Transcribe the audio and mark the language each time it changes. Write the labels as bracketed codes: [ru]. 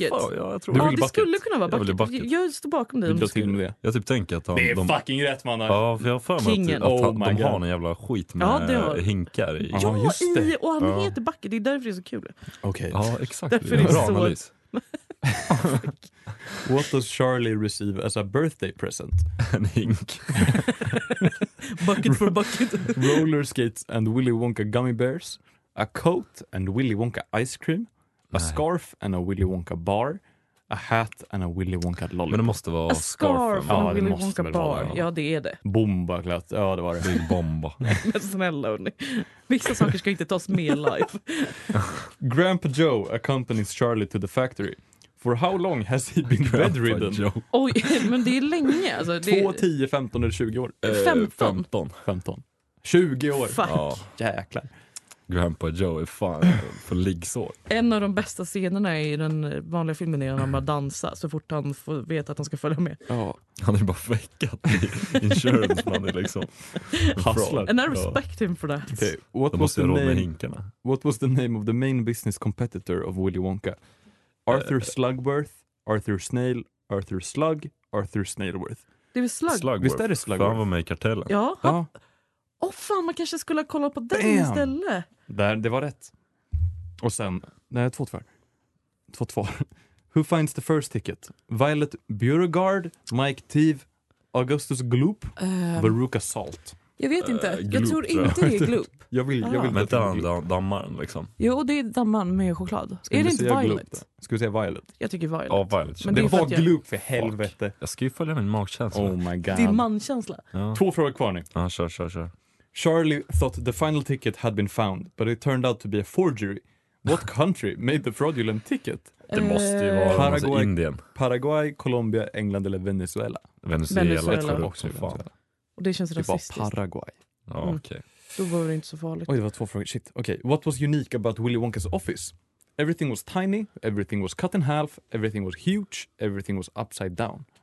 [sv] Jag tror det skulle kunna vara bucket. Bucket. Jag står bakom dig. Jag typ tänker att han, det är fucking rätt man. Ja, för jag får med att de har en jävla skit med hinkar i. Ja, just det. Och han heter Bucket. Det är därför det är så kul. Okej. Ja, exakt. Därför det är bra analys. [en] What does Charlie receive as a birthday present? [sv] En hink. [en] Bucket for bucket. Roller skates and Willy Wonka gummy bears. A coat and Willy Wonka ice cream. A scarf and a Willy Wonka bar. A hat and a Willy Wonka lollipop. [sv] Men det måste vara [en] a scarf and a Willy Wonka bar. [sv] Ja, det är det. Bomba klätt. Ja, det var det. [en] Big bomba. [sv] Men snälla, hörni. Vissa saker ska inte tas med live. [en] Grandpa Joe accompanies Charlie to the factory. For how long has he been bedridden? [sv] Oj, men det är länge. Alltså, det 2, 10, 15 eller 20 år. 15. 20 år. [en] Fuck. [sv] Ja. Jäklar. Grandpa Joe är fan på liggsår. En av de bästa scenerna i den vanliga filmen är när han bara dansar så fort han får veta att han ska följa med. Ja, han är bara fäckat i [en] insurance money [sv] liksom. [en] And I respect him for that. Okay. What was the name? [sv] Hinkarna. [en] What was the name of the main business competitor of Willy Wonka? Arthur Slugworth, Arthur Snail, Arthur Slug, Arthur Snailworth. [sv] Det är Slugworth. Visst är det Slugworth? Fan var med i kartellen. Ja. Åh oh, fan, man kanske skulle ha kollat på den istället. Där, det var rätt. Och sen, nej, 2-2. 2-2. Who finds the first ticket? Violet Beauregard, Mike Thiev, Augustus Gloop, Veruca Salt. Jag vet inte. Jag tror inte det är Gloop. Jag vill inte ha dammaren liksom. Jo, det är dammaren med choklad. Är det inte Violet? Ska vi säga Violet? Jag tycker Violet. Ja, Violet. Men det var jag... Gloop för helvete. Fuck. Jag ska ju följa min magkänsla. [en] Oh my god. [sv] Det är mankänsla. Ja. Två frågor kvar nu. Ja, kör. [en] Charlie thought the final ticket had been found, but it turned out to be a forgery. What country made the fraudulent ticket? [sv] Det måste ju vara Paraguay, Indien. Paraguay, Colombia, England eller Venezuela? Venezuela tror jag också. Fan. Och det känns rasistiskt. Det var Paraguay. Ja, okej. [en] Okay. [sv] Då var det inte så farligt. Oj, det var två frågor. [en] Shit, okej. Okay. What was unique about Willy Wonka's office? Everything was tiny, everything was cut in half, everything was huge, everything was upside down.